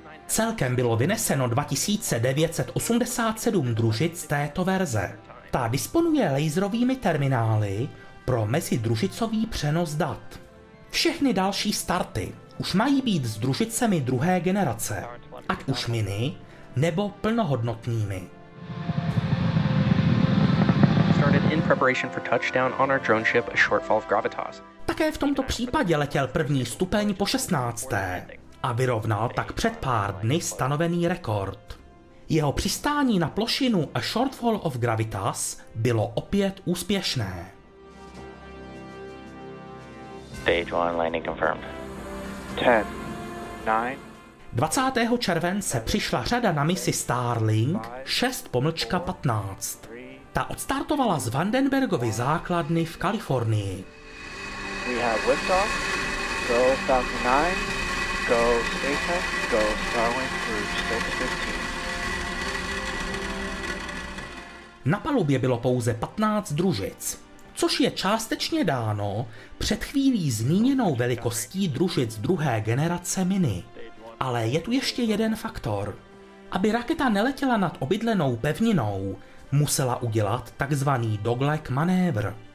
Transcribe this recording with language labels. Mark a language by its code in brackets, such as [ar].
[cs] Celkem bylo vyneseno 2987 družic této verze. Ta disponuje laserovými terminály pro mezidružicový přenos dat. Všechny další starty už mají být s družicemi druhé generace, ať už mini, nebo plnohodnotnými. [en] In preparation for touchdown on our drone ship, a shortfall of gravitas. [cs] Také v tomto případě letěl první stupeň po 16. a vyrovnal tak před pár dny stanovený rekord. Jeho přistání na plošinu A Shortfall of Gravitas bylo opět úspěšné. [en] Stage 1 landing confirmed. 10, 9. 20. [cs] července přišla řada na misi Starlink 6-15. Ta odstartovala z Vandenbergovy základny v Kalifornii. [en] We have liftoff. Go Falcon 9. Go SpaceX. Go Starlink through stage 15. [cs] Na palubě bylo pouze 15 družic, což je částečně dáno před chvílí zmíněnou velikostí družic druhé generace Mini. Ale je tu ještě jeden faktor. Aby raketa neletěla nad obydlenou pevninou, musela udělat takzvaný dogleg manévr.